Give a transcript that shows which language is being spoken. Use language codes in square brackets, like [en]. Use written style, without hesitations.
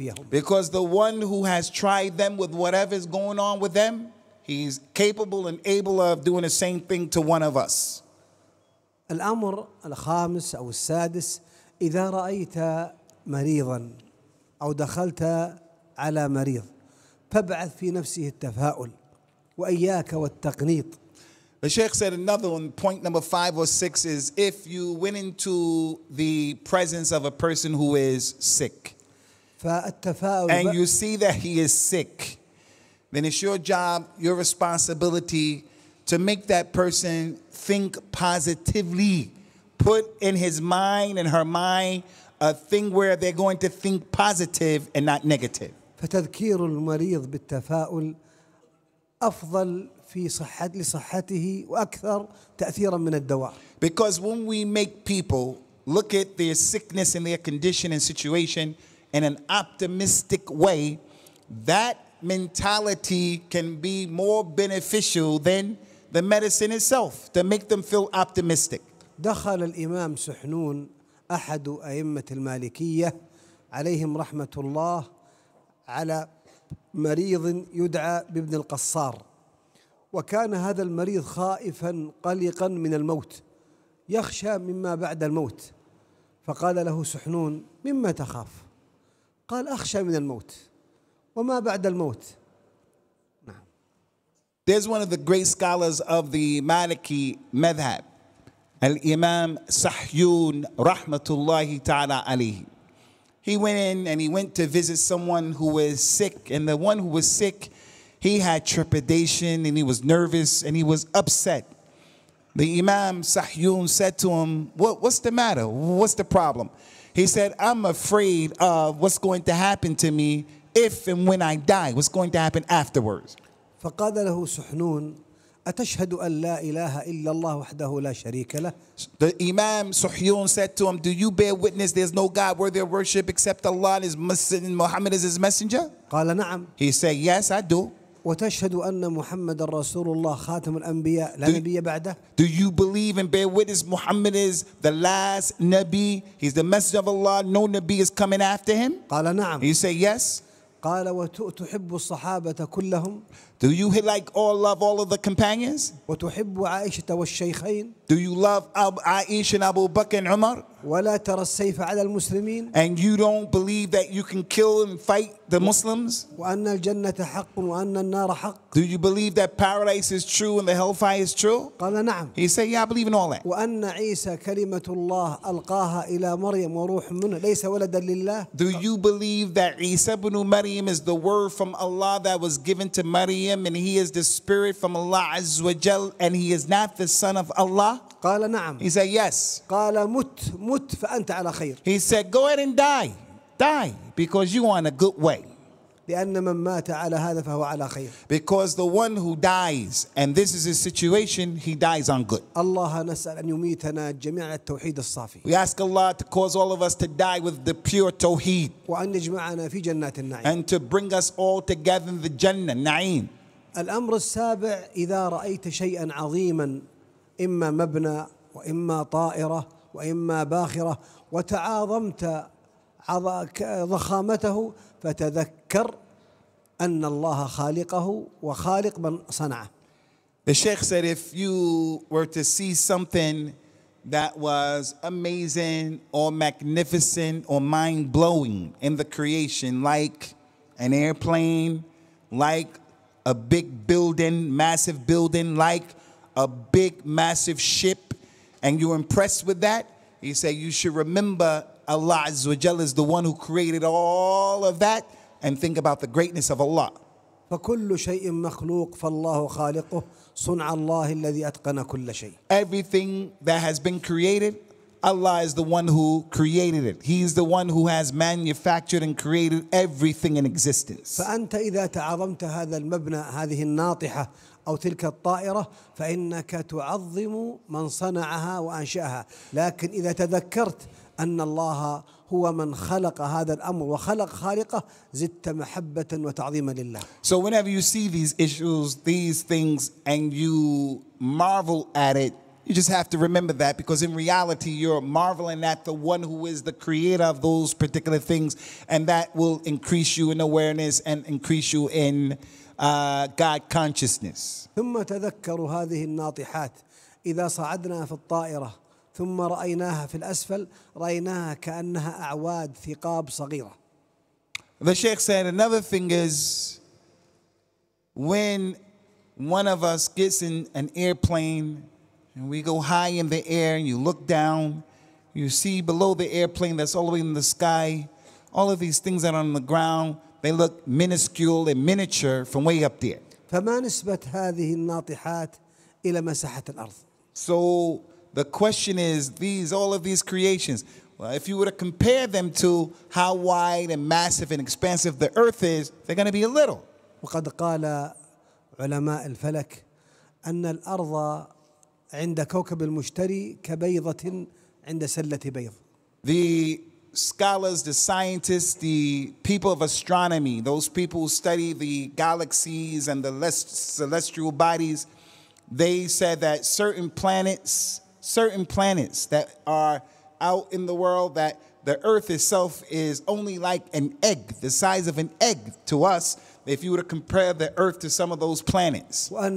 [en] Because the one who has tried them with whatever is going on with them, he's capable and able of doing the same thing to one of us. [ar] الأمر الخامس أو السادس إذا رأيت مريضا أو دخلت على مريض فابعث في نفسه التفاؤل وإياك والتقنيط. [en] The Shaykh said another one, point number five or six is if you went into the presence of a person who is sick and you see that he is sick, then it's your job, your responsibility to make that person think positively. Put in his mind and her mind a thing where they're going to think positive and not negative. [ar] فتذكير المريض بالتفاؤل أفضل في لصحته وأكثر تأثيرا من الدواء. [en] Because when we make people look at their sickness and their condition and situation in an optimistic way, that mentality can be more beneficial than the medicine itself to make them feel optimistic. [ar] دخل الإمام سحنون أحد أئمة المالكية عليهم رحمة الله على مريض يدعى بابن القصار وكان هذا المريض خائفا قلقا من الموت يخشى مما بعد الموت فقال له سحنون مما تخاف قال أخشى من الموت وما بعد الموت. [en] There's one of the great scholars of the Maliki madhab, Al-Imam Sahyun [ar] rahmatullahi ta'ala alayhi. [en] He went in and he went to visit someone who was sick, and the one who was sick, he had trepidation and he was nervous and he was upset. The Imam Sahyun said to him, what's the matter? What's the problem? He said, I'm afraid of what's going to happen to me if and when I die, what's going to happen afterwards. [ar] فقال له سحنون أتشهد أن لا إله إلا الله وحده لا شريك له. [en] The Imam Suhyun said to him, do you bear witness there's no God worthy of worship except Allah and Muhammad is his messenger? [ar] قال نعم. [en] He said, yes, I do. [ar] وتشهد أن محمد رسول الله خاتم الأنبياء لا نبي بعده. [en] Do you believe and bear witness Muhammad is the last Nabi? He's the messenger of Allah. No Nabi is coming after him. [ar] قال نعم. [en] He said, yes. [ar] قال وتحب الصحابة كلهم. [en] Do you like all love all of the companions? [ar] وتحب عائشة والشيخين. [en] Do you love Aisha and Abu Bakr and Umar? [ar] ولا ترى السيف على المسلمين. [en] And you don't believe that you can kill and fight the Muslims? [ar] وأن الجنة حق وأن النار حق. [en] Do you believe that paradise is true and the hellfire is true? [ar] قال نعم. [en] He said, yeah, I believe in all that. [ar] وأن عيسى كلمة الله ألقاها إلى مريم وروح منه ليس ولدا لله. [en] Do you believe that Isa ibn Maryam is the word from Allah that was given to Maryam? And he is the spirit from Allah [ar] Azza wa Jal, [en] and he is not the son of Allah? [ar] قال نعم. [en] He said, yes. [ar] قال مت فأنت على خير. [en] He said, go ahead and die. Die, because you are on a good way. [ar] لأن من مات على هذا فهو على خير. [en] Because the one who dies, and this is his situation, he dies on good. [ar] الله نسأل أن يميتنا جميعا التوحيد الصافي. [en] We ask Allah to cause all of us to die with the pure tawheed. [ar] وأن يجمعنا في جنات النعيم. [en] And to bring us all together in the Jannah, Na'im. [ar] الأمر السابع إذا رأيت شيئا عظيما إما مبنى وإما طائرة وإما باخرة وتعاظمت ضخامته فتذكر أن الله خالقه وخالق من صنعه. [en] The Shaykh said, if you were to see something that was amazing or magnificent or mind-blowing in the creation, like an airplane, like a big building, massive building, like a big massive ship, and you're impressed with that, he said, you should remember Allah [ar] Azza wa Jalla [en] is the one who created all of that, and think about the greatness of Allah. [ar] فكل شيء مخلوق فالله خالقه صنع الله الذي أتقن كل شيء. [en] Everything that has been created, Allah is the one who created it. He is the one who has manufactured and created everything in existence. [ar] فأنت إذا تعظمت هذا المبنى هذه الناطحة أو تلك الطائرة فإنك تعظم من صنعها وأنشأها. لكن إذا تذكرت أن الله هو من خلق هذا الأمر وخلق خالقه زدت محبة وتعظيما لله. [en] So whenever you see these issues, these things, and you marvel at it, you just have to remember that, because in reality you're marveling at the one who is the creator of those particular things, and that will increase you in awareness and increase you in God consciousness. [ar] ثم تذكروا هذه الناطحات إذا صعدنا في الطائرة ثم رأيناها في الأسفل رأيناها كأنها أعواد ثقاب صغيرة. [en] The Shaykh said another thing is when one of us gets in an airplane and we go high in the air and you look down, you see below the airplane that's all the way in the sky, all of these things that are on the ground, they look minuscule and miniature from way up there. [ar] فما نسبة هذه الناطحات إلى مساحة الأرض؟ [en] So the question is, these, all of these creations, well, if you were to compare them to how wide and massive and expansive the earth is, they're going to be a little. [ar] وقد قال علماء الفلك أن الأرض عند كوكب المشتري كبيضة عند سلة بيض. [en] The scholars, the scientists, the people of astronomy, those people who study the galaxies and the celestial bodies, they said that certain planets that are out in the world, that the earth itself is only like an egg, the size of an egg to us, if you were to compare the earth to some of those planets.